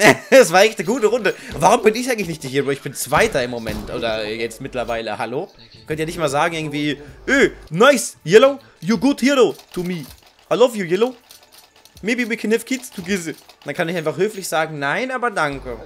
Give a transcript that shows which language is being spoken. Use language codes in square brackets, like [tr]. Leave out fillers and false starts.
[de] Das war echt eine gute Runde. Warum bin ich eigentlich nicht der Hero? Ich bin Zweiter im Moment. Oder jetzt mittlerweile. Hallo? Könnt ihr nicht mal sagen irgendwie... [en] nice, Yellow. You good hero to me. I love you, Yellow. Maybe we can have kids together. [de] Dann kann ich einfach höflich sagen, nein, aber danke.